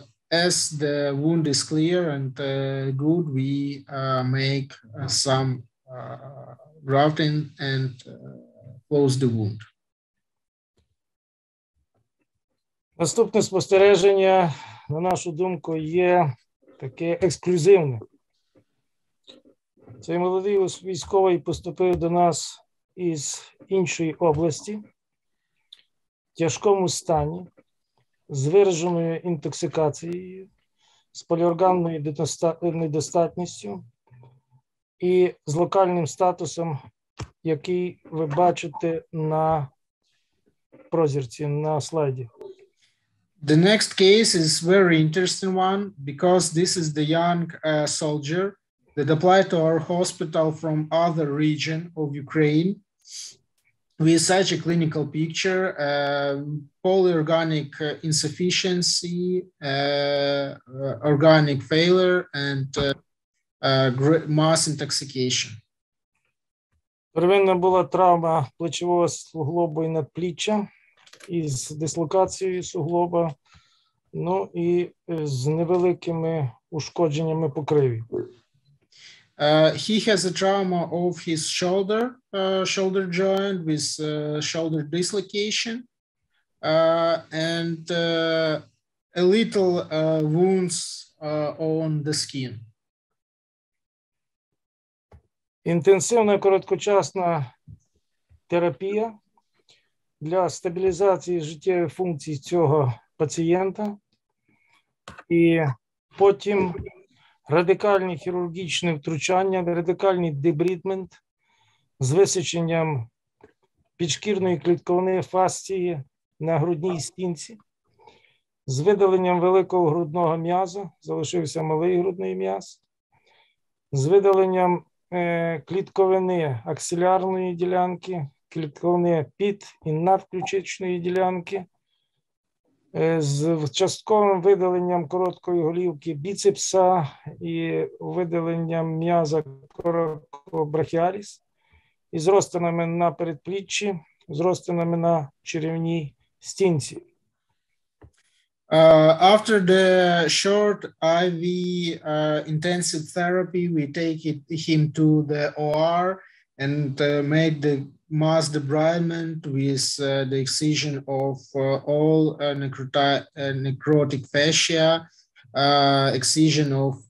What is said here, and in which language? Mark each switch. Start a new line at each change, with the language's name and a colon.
English: As the wound is clear and good, we make some grafting and close the wound.
Ukrainian: Наступне спостереження, на нашу думку, є таке ексклюзивне. Цей молодий військовий поступив до нас із іншої області в тяжкому стані, з вираженою інтоксикацією, з поліорганною недостатністю і з локальним статусом, який ви бачите на прозірці, на слайді.
English: The next case is very interesting one because this is the young soldier that applied to our hospital from other region of Ukraine with such a clinical picture, polyorganic insufficiency, organic failure and mass intoxication.
Ukrainian: Первинна була травма плечевого суглобу і надпліччя із дислокацією суглоба. Ну і з невеликими ушкодженнями покриві.
English: He has a trauma of his shoulder, shoulder joint with shoulder dislocation and a little wounds on the skin.
Ukrainian: Інтенсивна короткочасна терапія для стабілізації життєвої функції цього пацієнта. І потім радикальні хірургічні втручання, радикальний дебрідмент з висиченням підшкірної клітковини фасції на грудній стінці, З видаленням великого грудного м'яза залишився малий грудний м'яз. З видаленням клітковини аксилярної ділянки, клітковини під- і надключичної ділянки, з частковим видаленням короткої голівки біцепса і видаленням м'яза коракобрахіаліс, із розтинами на передпліччі, з розтинами на черевній стінці.
English: After the short IV intensive therapy, we take him to the OR and made the mass debridement with the excision of all necrotic fascia, excision of